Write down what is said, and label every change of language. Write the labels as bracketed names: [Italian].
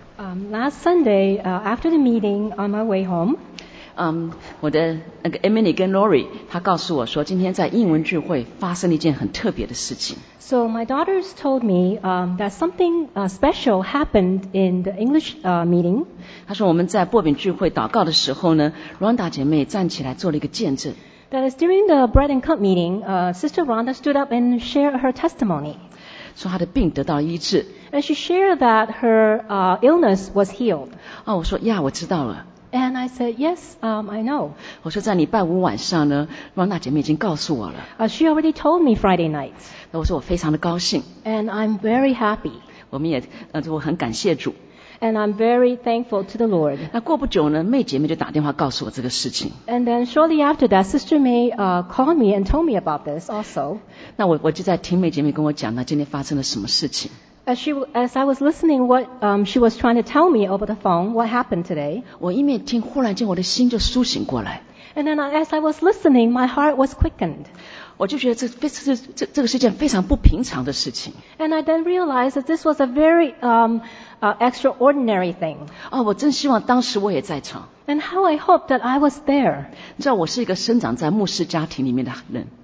[English] Last Sunday, after the meeting, on my way home, [Chinese] 我的那个 Emily 跟 Lori， 她告诉我说，今天在英文聚会发生了一件很特别的事情。 [English] So my daughters told me that something special happened in the English meeting. [Chinese] 她说我们在薄饼聚会祷告的时候呢 ，Rhonda 姐妹站起来做了一个见证。 [English] That is during the bread and cup meeting, Sister Rhonda stood up and shared her testimony. [Chinese] 说她的病得到了医治。 [English] And she shared that her illness was healed. [Chinese] 哦，我说呀，我知道了。 [English] And I said, yes, I know. [Chinese] 我说在礼拜五晚上呢 ，Rhonda 姐妹已经告诉我了。 [English] She already told me Friday night. [Chinese] 那我说我非常的高兴。 [English] And I'm very happy. [Chinese] 我们也我很感谢主。 [English] And I'm very thankful to the Lord. [Chinese] 那过不久呢，妹姐妹就打电话告诉我这个事情。 [English] And then shortly after that, Sister May called me and told me about this also. [Chinese] 那我就在听妹姐妹跟我讲呢，今天发生了什么事情。 [English] As I was listening, what she was trying to tell me over the phone, what happened today? [Chinese] 我一面听，忽然间我的心就苏醒过来。 [English] And then, as I was listening, my heart was quickened. [Chinese] 我就觉得这个是一件非常不平常的事情。 [English] And I then realized that this was a very extraordinary thing. [Chinese] 哦，我真希望当时我也在场。 [English] And how I hope that I was there. [Chinese] 你知道，我是一个生长在牧师家庭里面的人。